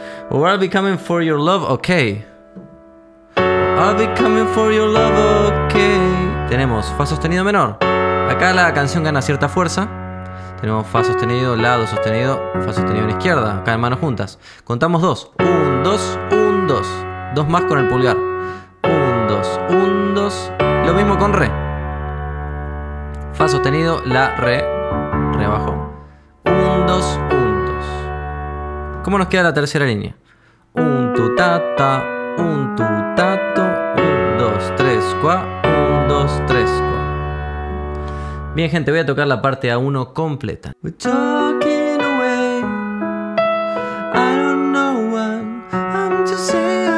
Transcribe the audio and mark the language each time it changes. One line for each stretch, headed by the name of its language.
English: I'll be coming for your love, okay. I'll be coming for your love, okay.
Spanish: Tenemos fa sostenido menor. Acá la canción gana cierta fuerza. Tenemos fa sostenido, la, do sostenido, fa sostenido en izquierda. Acá en manos juntas. Contamos dos. Un, dos, un, dos. Dos más con el pulgar. Un, dos, un, dos. Lo mismo con re. Fa sostenido, la, re. Re abajo. Un, dos, un, dos. ¿Cómo nos queda la tercera línea? Un, tu, ta, ta. Un, tu, ta, to. Un, dos, tres, cuá. 2, 3, 4. Bien, gente, voy a tocar la parte A1 completa.
English: We're talking away. I don't know what I'm to say.